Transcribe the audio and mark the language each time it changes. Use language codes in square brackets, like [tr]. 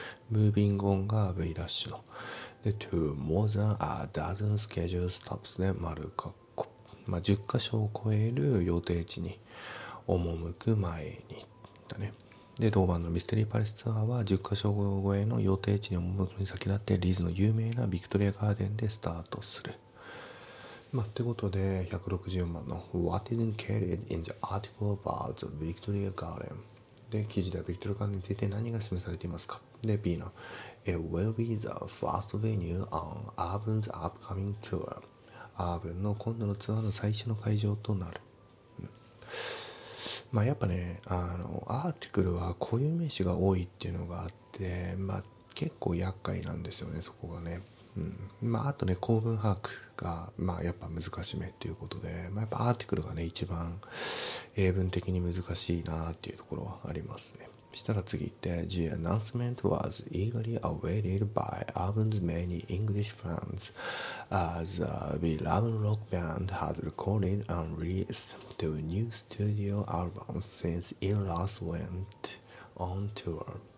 [en] moving on [ja] が V ダッシュの。で、 [en] to more than a dozen scheduled stops [ja] で丸括弧。まあ、10箇所を超える予定地に赴く前にだね。で、同バンドのミステリーパレスツアーは10カ所超えの予定地に赴くに先立ってリーズの有名なビクトリアガーデンでスタートする。まあ、ってことで160番の [en] What is included in the article about the Victoria Garden? [ja] で、記事ではビクトリアガーデンについて何が示されていますか？で、B の [en] It will be the first venue on Arvin's upcoming tour. [ja] Arvin の今度のツアーの最初の会場となる。まあ、やっぱね、アーティクルは固有名詞が多いっていうのがあって、まあ、結構厄介なんですよね、そこがね。うん。まあ、あとね、構文把握が、まあ、やっぱ難しめっていうことで、まあ、やっぱアーティクルがね、一番英文的に難しいなっていうところはありますね。したら次行って、 [en] The announcement was eagerly awaited by Arvin's many English fans as the beloved rock band had recorded and released two new studio albums since it last went on tour.